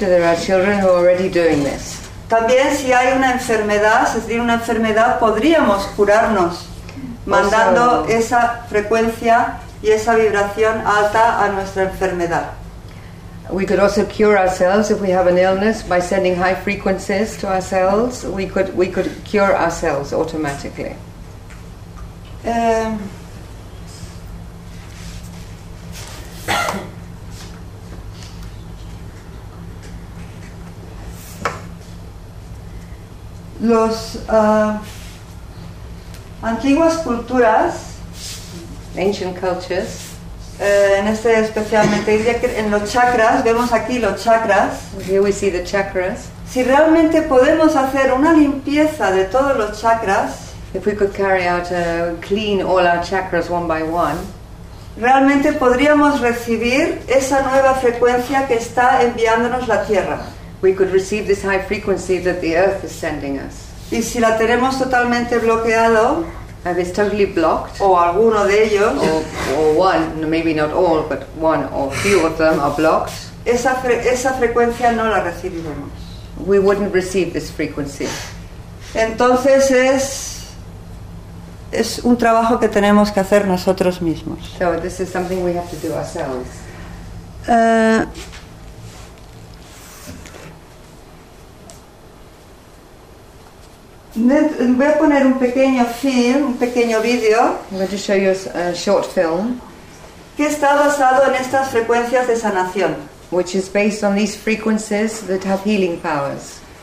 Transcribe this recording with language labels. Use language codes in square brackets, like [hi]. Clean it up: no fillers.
[en] There are children who are already doing this. [es] También si hay una enfermedad, es decir, una enfermedad, podríamos curarnos mandando esa frecuencia y esa vibración alta a nuestra enfermedad. [en] We could also cure ourselves if we have an illness by sending high frequencies to ourselves. We could cure ourselves automatically. Um, [es] los antiguas culturas, [en] ancient cultures, [es] en este especialmente en los chakras, vemos aquí los chakras. [en] Here we see the chakras. [es] Si realmente podemos hacer una limpieza de todos los chakras, [en] if we could carry out a clean all our chakras one by one, [es] realmente podríamos recibir esa nueva frecuencia que está enviándonos la Tierra. [en] We could receive this high frequency that the Earth is sending us. [es] Y si la tenemos totalmente bloqueado, [en] if it's totally blocked, [es] o alguno de ellos, [en] or one, maybe not all, but one or few of them are blocked, [es] esa frecuencia no la recibiremos. [en] We wouldn't receive this frequency. [es] Entonces es un trabajo que tenemos que hacer nosotros mismos. [en] So this is something we have to do ourselves. [es] Voy a poner un pequeño film, un pequeño video. [en] I'm going to show you a short film. [es] Que está basado en estas frecuencias de sanación. [en] Which is based on these frequencies that have healing powers.